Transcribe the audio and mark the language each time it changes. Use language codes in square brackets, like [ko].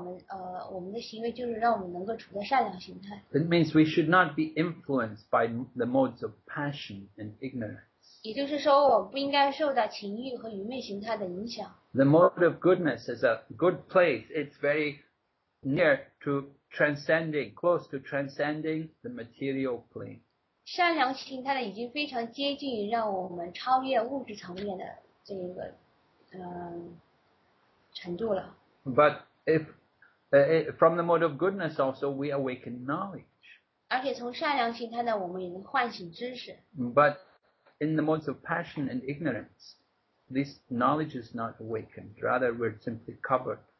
[zh] 奉献服务的这一活动呢，至少应该让我们的行为就是让我们能够处在善良心态。 [en] It means we should not be influenced by the modes of passion and ignorance. [zh] 也就是说，我不应该受到情欲和愚昧形态的影响。 [en] The mode of goodness is a good place. It's very near to transcending, close to transcending the material plane. [zh] 善良形态的已经非常接近让我们超越物质层面的这个程度了。 [en] But if from the mode of goodness also we awaken knowledge. [zh] 而且从善良形态呢，我们也能唤醒知识。 [en] But in the modes of passion and ignorance, this knowledge is not awakened. Rather, we're simply covered.